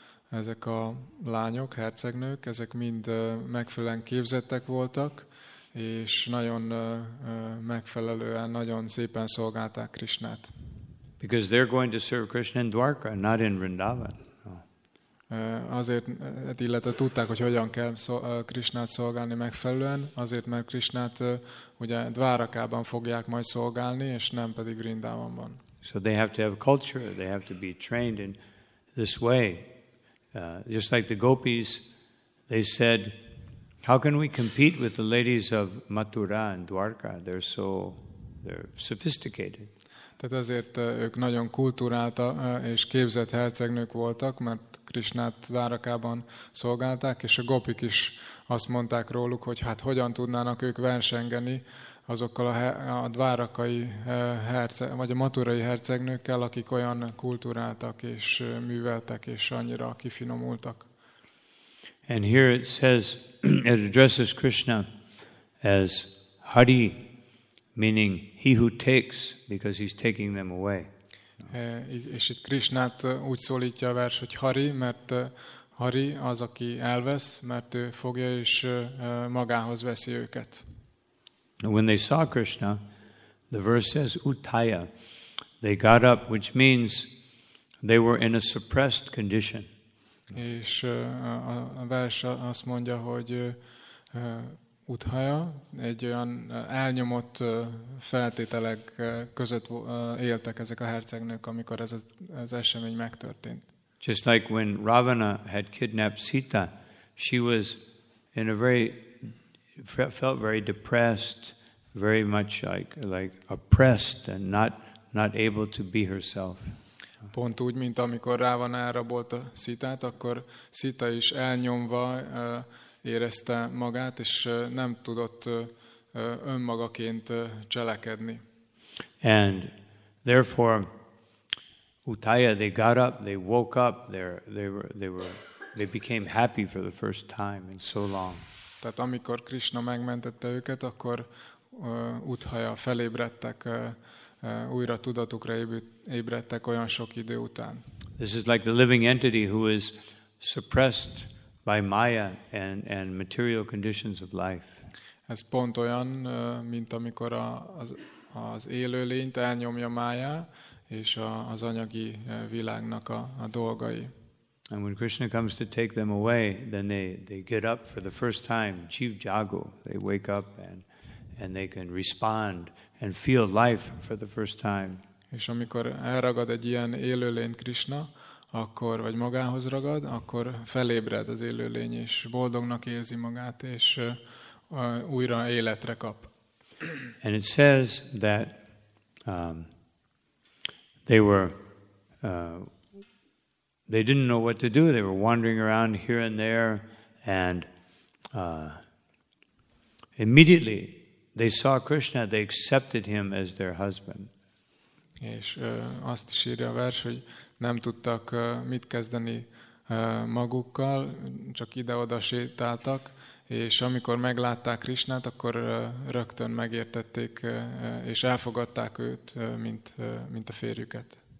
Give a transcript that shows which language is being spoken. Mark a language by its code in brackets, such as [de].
[hu] Ezek a lányok, hercegnők, ezek mind megfelelően képzettek voltak, és nagyon megfelelően, nagyon szépen szolgálták Krishnát. [en] Because they're going to serve Krishna in Dwarka, not in Vrindavan. [hu] Azért, illetve tudták, hogy hogyan kell Krishnát szolgálni megfelelően, azért, mert Krishnát ugye Dvárakában fogják majd szolgálni, és nem pedig Vrindavanban. [en] So they have to have culture, they have to be trained in this way. Just like the gopis, they said, how can we compete with the ladies of Mathura and Dwarka? They're sophisticated. [hu] Tehát azért ők nagyon kulturálta és képzett hercegnők voltak, mert Krishnát Dvarakában szolgálták, és a gopik is azt mondták róluk, hogy hát hogyan tudnának ők versengeni azokkal a dvárakai vagy a maturai hercegnőkkel, akik olyan kultúráltak és műveltek és annyira kifinomultak. [en] And here it says, it addresses Krishna as Hari, meaning he who takes, because he's taking them away. [hu] És itt Krishnát úgy szólítja a vers, hogy Hari, mert Hari az, aki elvesz, mert ő fogja és magához veszi őket. [en] When they saw Krishna, the verse says Uttaya. They got up, which means they were in a suppressed condition. [hu] És a vers azt mondja, hogy Uttaya egy olyan elnyomott feltételek között éltek ezek a hercegnők, amikor ez esemény megtörtént. [en] Just like when Ravana had kidnapped Sita, she was in a very felt very depressed, very much like oppressed and not able to be herself. [hu] Pont úgy, mint amikor Ravana elrabolta Sitát, akkor Sita is elnyomva érezte magát, és nem tudott önmagaként cselekedni. [en] And therefore Uttaya, they got up, they woke up, they became happy for the first time in so long. [hu] Tehát amikor Krishna megmentette őket, akkor Uthaya felébredtek, újra tudatukra ébredtek olyan sok idő után. [en] This is like the living entity who is suppressed by Maya and material conditions of life. [hu] Ez pont olyan, mint amikor az élőlényt elnyomja Maya és az anyagi világnak a dolgai. [en] And when Krishna comes to take them away, then they get up for the first time, jiv jago. They wake up and they can respond and feel life for the first time. [hu] És amikor elragad egy ilyen élőlényt Krishna, akkor vagy magához ragad, akkor felébred az élőlény, és boldognak érzi magát, és újra életre kap. [en] And it says that they were they didn't know what to do. They were wandering around here and there, and immediately they saw Krishna. They accepted him as their husband. [hu] És azt is írja a vers, hogy nem tudtak mit kezdeni magukkal, csak ide-oda sétáltak, és amikor meglátták Krishnát, akkor rögtön megértették, és elfogadták őt, mint a férjüket.